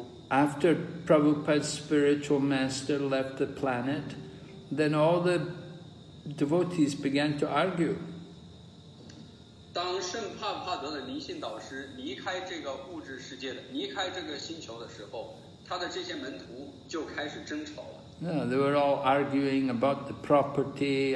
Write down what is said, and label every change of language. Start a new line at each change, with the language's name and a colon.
English: After Prabhupada's spiritual master left the planet, then all the devotees began to argue.
Chinese: 当圣帕帕德的灵性导师离开这个物质世界的，离开这个星球的时候，他的这些门徒就开始争吵了。
English: Yeah, they were all arguing about the property.